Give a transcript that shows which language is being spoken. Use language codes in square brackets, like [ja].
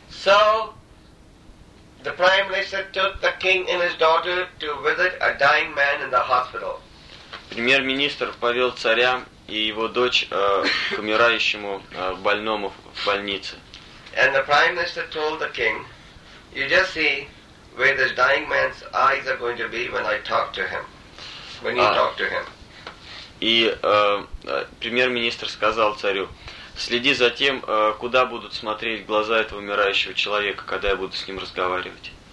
[en] So the prime minister took the king and his daughter to visit a dying man in the hospital. [ru] Премьер-министр повел царя и его дочь к умирающему больному в больнице. [en] And the prime minister told the king, "You just see where this dying man's eyes are going to be when I talk to him, when you talk to him." [ru] И премьер-министр сказал царю, "Следи за тем, куда будут смотреть глаза этого умирающего человека, когда я буду с ним разговаривать."